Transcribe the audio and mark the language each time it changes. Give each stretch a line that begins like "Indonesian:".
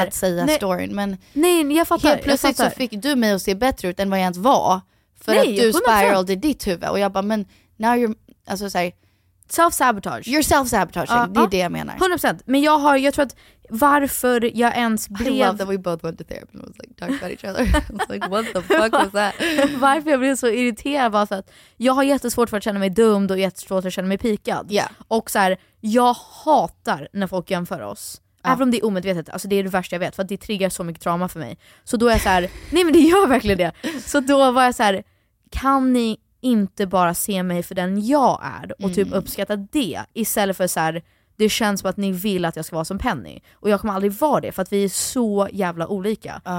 Swedish: att säga nej, storyn. Men nej, jag fattar. Helt plötsligt fattar. Så fick du mig att se bättre ut än vad jag ens var. För nej, att du spiraled i ditt huvud. Och jag bara, men
English: now you're,
Swedish: alltså så här,
English: self-sabotage. You're self-sabotaging,
Swedish: det är det jag menar. 100%. Men jag tror att varför jag ens blev...
English: I love that we both went to therapy and was like, talk about each other. I was like, what the fuck was that?
Swedish: Varför jag blev så irriterad var så att jag har jättesvårt för att känna mig dumd och jättesvårt att känna mig pikad.
English: Yeah.
Swedish: Och så här, jag hatar när folk jämför oss. Även om det är omedvetet, alltså det är det värsta jag vet, för att det triggar så mycket trauma för mig. Så då är jag så här, nej men det gör verkligen det. Så då var jag så här, kan ni inte bara se mig för den jag är och typ uppskatta det, istället för så här, det känns som att ni vill att jag ska vara som Penny, och jag kommer aldrig vara det, för att vi är så jävla olika.